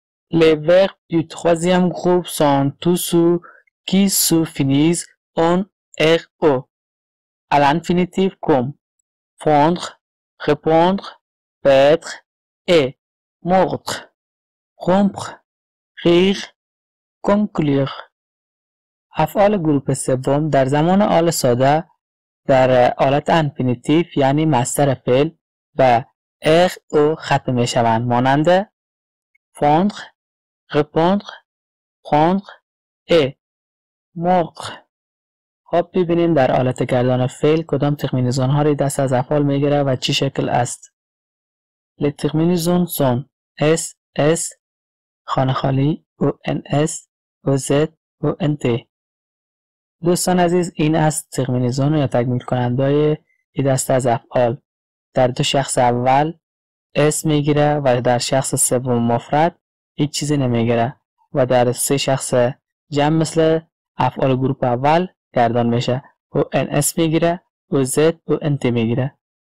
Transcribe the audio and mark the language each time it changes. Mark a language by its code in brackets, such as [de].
[fr] Les verbes du troisième groupe sont tous ceux qui se finissent en RE, à l'infinitif comme fondre, répondre, paître et mordre, rompre, rire, conclure. [fa] افعال گروپ سوم در زمان حال ساده در حالت انفینیتیف یعنی مصدر فعل و RE ختم می شوند مانند fondre répondre prendre et mordre. خب ببینیم در حالت گردان فعل کدام ترمینیزون ها رو دست از افعال میگیره و چی شکل است. [fr] Les terminaisons sont S, S, خانه خالی, O, N, S, O, Z, O, N, T. [fa] دوستان عزیز این است ترمینیزون یا تکمیل کننده ای دست از افعال. در دو شخص اول S میگیره و در شخص سوم مفرد هیچ چیزی نمیگیره و در سه شخص جمع مثل افعال گروپ اول گردان میشه و ns میگیره و z و nt میگیره.